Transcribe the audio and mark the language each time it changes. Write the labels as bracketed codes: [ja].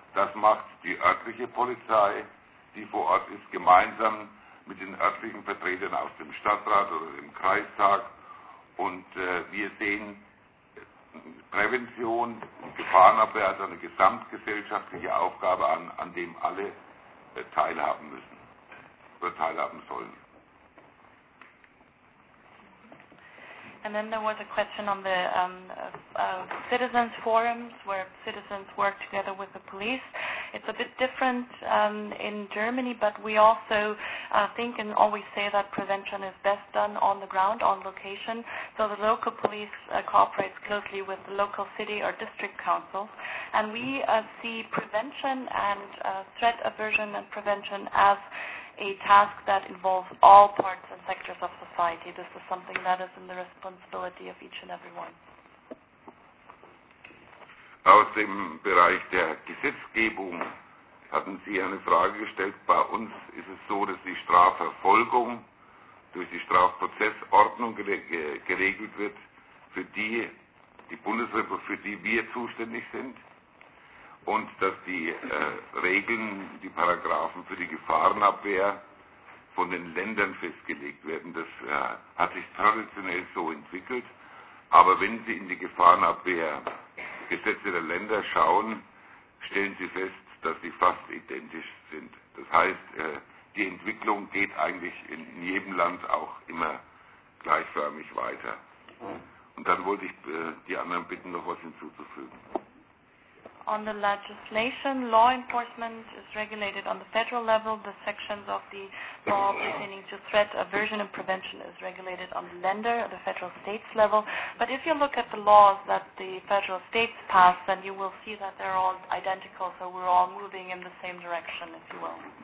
[de] Das macht die örtliche Polizei, die vor Ort ist, gemeinsam mit den örtlichen Vertretern aus dem Stadtrat oder dem Kreistag. Und wir sehen Prävention, Gefahrenabwehr als eine gesamtgesellschaftliche Aufgabe an, an dem alle teilhaben müssen oder teilhaben sollen. [en] And then there was a question on the citizens forums, where citizens work together with the police. It's a bit different in Germany, but we also think and always say that prevention is best done on the ground, on location. So the local police cooperates closely with the local city or district councils. And we see prevention and threat aversion and prevention as a task that involves all parts and sectors of society. This is something that is in the responsibility of each and every one. [de] Aus dem Bereich der Gesetzgebung hatten Sie eine Frage gestellt. Bei uns ist es so, dass die Strafverfolgung durch die Strafprozessordnung geregelt wird, für die Bundesrepublik, für die wir zuständig sind. Und dass die Regeln, die Paragraphen für die Gefahrenabwehr von den Ländern festgelegt werden. Das hat sich traditionell so entwickelt. Aber wenn Sie in die Gefahrenabwehrgesetze der Länder schauen, stellen Sie fest, dass sie fast identisch sind. Das heißt, die Entwicklung geht eigentlich in jedem Land auch immer gleichförmig weiter. Und dann wollte ich die anderen bitten, noch was hinzuzufügen. [en] On the legislation, law enforcement is regulated on the federal level. The sections of the law pertaining to threat aversion and prevention is regulated on the Länder, the federal states level. But if you look at the laws that the federal states pass, then you will see that they're all identical, so we're all moving in the same direction, if you will.